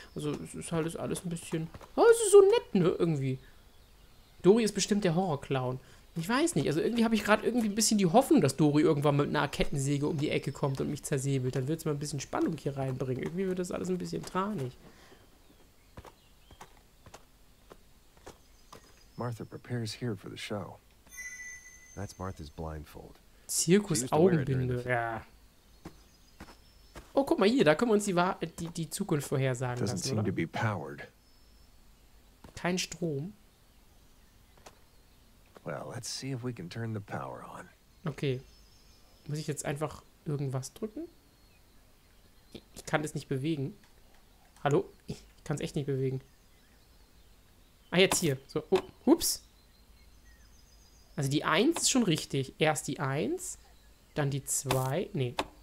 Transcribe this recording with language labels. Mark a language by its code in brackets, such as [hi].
[de] Also es ist halt alles ein bisschen... Oh, es ist so nett, ne, irgendwie. Dory ist bestimmt der Horrorclown. Ich weiß nicht, also irgendwie habe ich gerade irgendwie ein bisschen die Hoffnung, dass Dory irgendwann mit einer Kettensäge um die Ecke kommt und mich zersäbelt. Dann wird es mal ein bisschen Spannung hier reinbringen. Irgendwie wird das alles ein bisschen tranig. [en] Martha prepares here for the show. That's Martha's blindfold. [de] Zirkus Augenbinde. Ja. Oh, guck mal hier, da können wir uns die Zukunft vorhersagen lassen. [en] Doesn't seem to be powered. [de] Kein Strom. [en] Well, let's see if we can turn the power on. [de] Okay. Muss ich jetzt einfach irgendwas drücken? Ich kann das nicht bewegen. Hallo? Ich kann es echt nicht bewegen. Ah, jetzt hier. So, oh, ups. Also die 1 ist schon richtig. Erst die 1, dann die 2. Nee.